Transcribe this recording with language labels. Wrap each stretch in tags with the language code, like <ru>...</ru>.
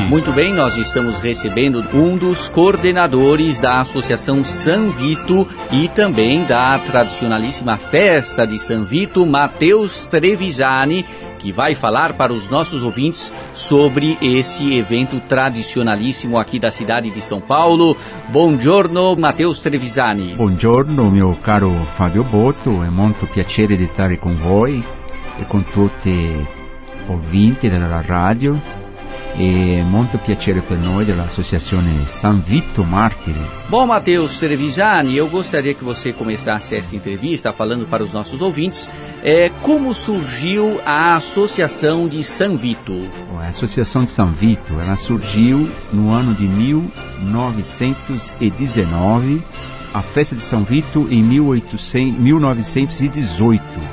<pt>Muito bem, nós estamos recebendo um dos coordenadores da Associação San Vito e também da tradicionalíssima festa de San Vito, Matheus Trevisani, que vai falar para os nossos ouvintes sobre esse evento tradicionalíssimo aqui da cidade de São Paulo.</pt> <it>Buongiorno, Matheus Trevisani.</it> <pt>Buongiorno, meu caro Fabio Botto, é muito piacere de estar com</pt> <it>voi</it> <pt>e com</pt> <it>tutti</it> <pt>ouvinte</pt> <it>della radio. E molto piacere per noi dell'Associazione San Vito Martire.</it> <pt>Bom, Matheus Trevisani, eu gostaria que você começasse essa entrevista falando para os nossos ouvintes como surgiu a Associação de San Vito. A Associação de San Vito, ela surgiu no ano de 1919, a festa de San Vito em 1918.</pt>